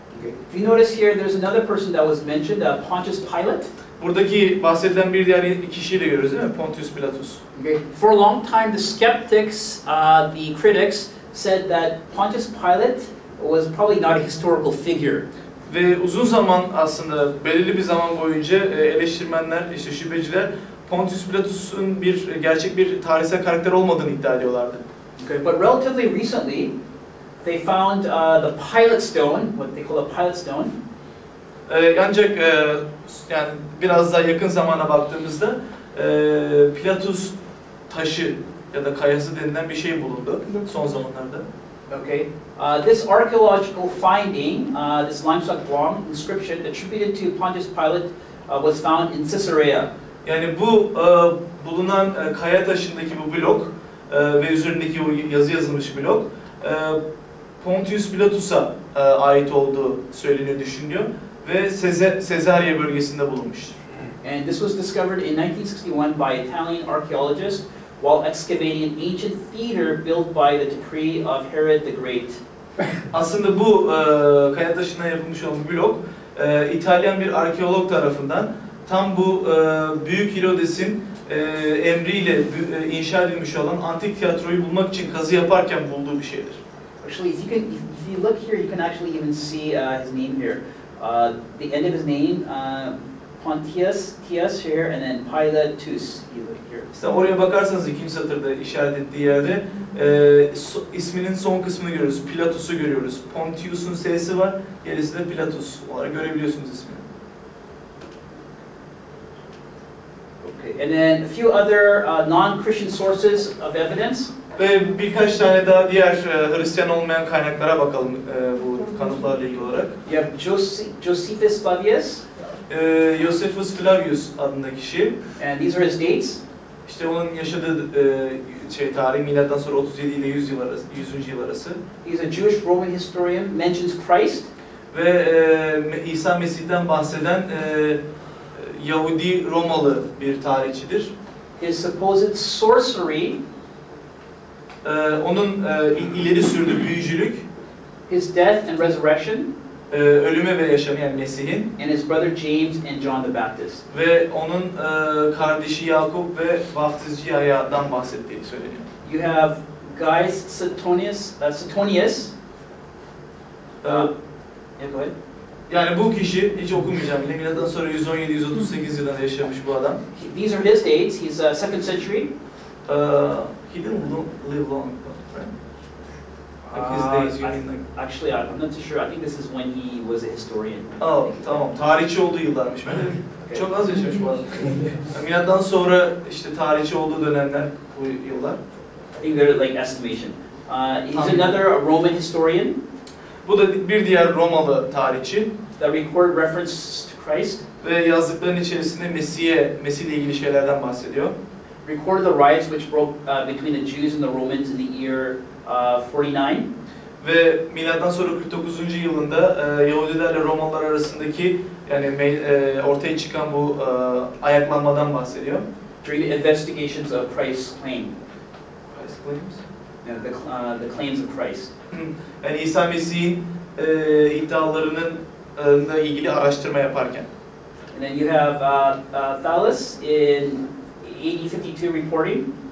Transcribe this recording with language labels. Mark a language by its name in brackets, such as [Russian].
[English] If you notice here, there's another person that was mentioned, Pontius Pilate. [Turkish] Buradaki bahsedilen bir diğer kişiyi de görüyoruz, değil mi? Pontius Pilatus. [English] Okay. For a long time, the skeptics, the critics, said that Pontius Pilate was probably not a historical figure. [Turkish] Ve uzun zaman aslında, belirli bir zaman boyunca eleştirmenler, işte şüpheciler, Pontius Pilatus'un bir gerçek bir tarihsel karakter olmadığını iddia ediyorlardı. [English] Okay. But relatively recently, they found the Pilate Stone, what they call a Pilate Stone. [Turkish] Ancak yani biraz daha yakın zamana baktığımızda Pilatus taşı ya da kayası denilen bir şey bulundu son zamanlarda. [English] Okay. This archaeological finding, this limestone long inscription attributed to Pontius Pilate, was found in Caesarea. [Turkish] Yani bu bulunan kaya taşındaki bu blok ve üzerindeki bu yazı yazılmış blok Pontius Pilatus'a ait olduğu söyleniyor, düşünülüyor ve Sezarya bölgesinde bulunmuştur. [English] And this was discovered in 1961 by Italian archaeologists while excavating an ancient theater built by the decree of Herod the Great. [Turkish] Aslında bu kaya taşından yapılmış olan bu blok İtalyan bir arkeolog tarafından tam bu büyük Herodes'in emriyle inşa edilmiş olan antik tiyatroyu bulmak için kazı yaparken bulduğu bir şeydir. [English] Actually, if you can, if you look here, you can actually even see his name here. The end of his name, Pontius, Tius here, and then Pilatus. You look here. [Turkish] İşte oraya bakarsanız ikinci satırda işaret ettiği yerde isminin son kısmını görüyoruz. Pilatus'u görüyoruz. Pontius'un S'si var, gerisi de Pilatus. Onları görebiliyorsunuz ismini. [English] Okay, and then a few other non-Christian sources of evidence. [Turkish] Ve birkaç tane daha diğer Hristiyan olmayan kaynaklara bakalım bu kanıtlarla ilgili olarak. [English] You have Josephus Flavius. [Turkish] Josephus Flavius adında kişi. [English] And these are his dates. [Turkish] İşte onun yaşadığı şey tarih milattan sonra 37 ile 100 yıl arası, 100. yıl arası. [English] He's a Jewish Roman historian, mentions Christ. [Turkish] Ve İsa Mesih'ten bahseden Yahudi Romalı bir tarihçidir. [English] His supposed sorcery. [Turkish] Onun ileri sürdüğü büyücülük, [English] his death and resurrection, [Turkish] ölüme ve yaşamı yani Mesih'in, [English] and his brother James and John the Baptist. [Turkish] Ve onun kardeşi Yakup ve vaftizci Yahya'dan bahsettiği söyleniyor. [English] You have Gaius Suetonius, Suetonius. Yeah, go ahead. [Turkish] Yani bu kişi hiç okumayacağım bile. Milattan sonra 117-138 yılında yaşamış bu adam. [English] These are his dates. He's a second century. He didn't live long, right? Like his days, you mean like... Actually, I'm not too sure. I think this is when he was a historian. [Turkish] Oh, tamam. Tarihçi olduğu yıllarmış ben dedim. Okay. Çok az yaşamış bu adam. Milattan sonra işte tarihçi olduğu dönemler bu yıllar. [English] I think they're like estimation. He's another Roman historian. [Turkish] Bu da bir diğer Romalı tarihçi. [English] That record references to Christ. [Turkish] Ve yazdıklarının içerisinde Mesih ile ilgili şeylerden bahsediyor. [English] Recorded the riots which broke between the Jews and the Romans in the year 49. [Turkish] Ve milattan sonra 49. yılında Yahudilerle Romalılar arasındaki yani ortaya çıkan bu ayaklanmadan bahsediyor. [English] During the investigations of Christ's claim. Christ's claims? Yeah, the claims of Christ. [Turkish] Yani İsa Mesih'in iddialarının ilgili araştırma yaparken. [English] And then you have Thallus in AD 52 reporting.